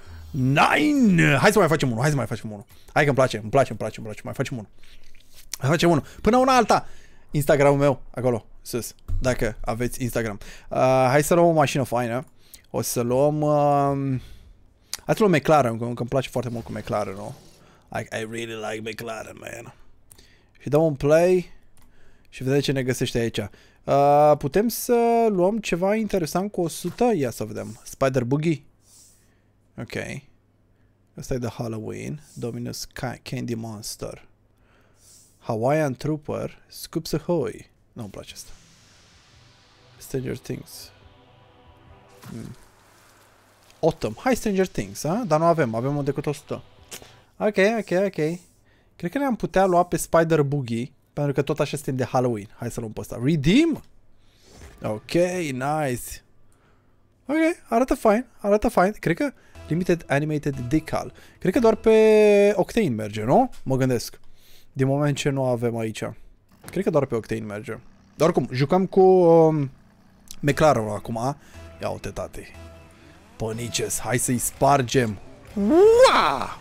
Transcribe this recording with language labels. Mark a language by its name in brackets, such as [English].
[Romanian] Nine. Hai să mai facem unul, hai să mai facem unul. Hai că îmi place, mai facem unul. Mai facem unul. Până una alta. Instagramul meu, acolo, sus. Dacă aveți Instagram. Hai să luăm o mașină faină. O să luăm... Hai să luăm McLaren, că îmi place foarte mult cu McLaren, nu? [English] I really like McLaren, man. [Romanian] Și dăm un play și vedem ce ne găsește aici. Putem să luăm ceva interesant cu 100? Ia să vedem. Spider Boogie. Ok. Asta e de Halloween. Dominus Candy Monster. Hawaiian Trooper. Scoops Ahoy. Nu-mi place asta. Stranger Things. Autumn. Hai Stranger Things, ha? Dar nu avem. Avem un decât 100. Ok. Cred că ne-am putea lua pe Spider Boogie, pentru că tot așa suntem de Halloween. Hai să luăm pe ăsta. Redeem? Ok, nice. Ok, arată fain. Arată fain. Cred că Limited Animated Decal. Cred că doar pe Octane merge, nu? Mă gândesc. Din moment ce nu avem aici. Cred că doar pe Octane merge. Dar oricum, jucăm cu McLaren acum. Ia uite, tate. Pănices, hai să-i spargem. Ua!